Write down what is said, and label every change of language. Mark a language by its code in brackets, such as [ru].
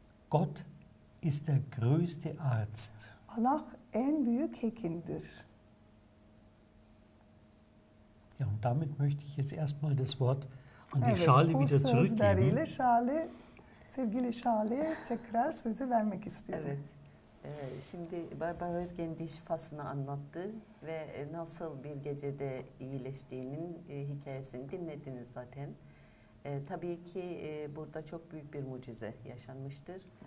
[de] Gott ist der größte Arzt. [tr] Allah en büyük hekimdir. [de] Ja, und damit möchte ich jetzt erstmal das Wort an die Schale wieder zurückgeben. [tr] Evet, bu sözleriyle Şale, sevgili Şale'ye tekrar sözü vermek istiyorum. Evet. Şimdi Baba Örgen diş fasını anlattı ve nasıl bir gecede iyileştiğinin hikayesini dinlediniz zaten. Tabii ki burada çok büyük bir mucize yaşanmıştır.